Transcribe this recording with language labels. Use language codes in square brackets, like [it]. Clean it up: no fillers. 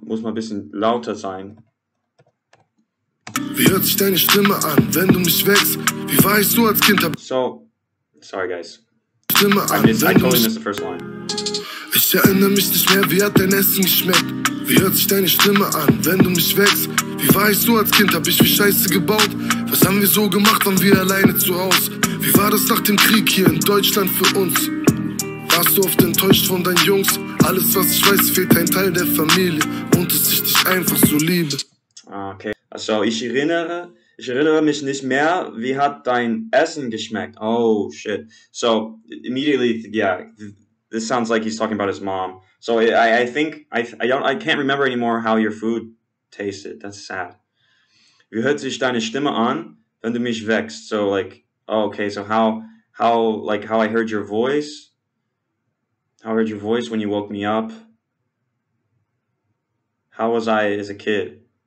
[de] Muss mal ein bisschen lauter sein. Wie hört sich deine Stimme an, wenn du mich wächst? Wie weißt du als Kind? [en] So, sorry guys. I totally missed the first line. [de] Ich erinnere mich nicht mehr, wie hat dein Essen geschmeckt? Wie hört sich deine Stimme an, wenn du mich wächst? Wie war ich so als Kind, hab ich wie Scheiße gebaut? Was haben wir so gemacht, waren wir alleine zu Haus? Wie war das nach dem Krieg hier in Deutschland für uns? Warst du oft enttäuscht von deinen Jungs? Alles was ich weiß, fehlt ein Teil der Familie. Und dass ich dich einfach so liebe. Okay, also ich erinnere mich nicht mehr, wie hat dein Essen geschmeckt? [en] Oh shit, so immediately, yeah. This sounds like he's talking about his mom. So I can't remember anymore how your food tasted. That's sad. [de] Wie hört sich deine Stimme an, wenn du mich wächst? [en] So like, oh, okay, so how I heard your voice? How I heard your voice when you woke me up? How was I as a kid?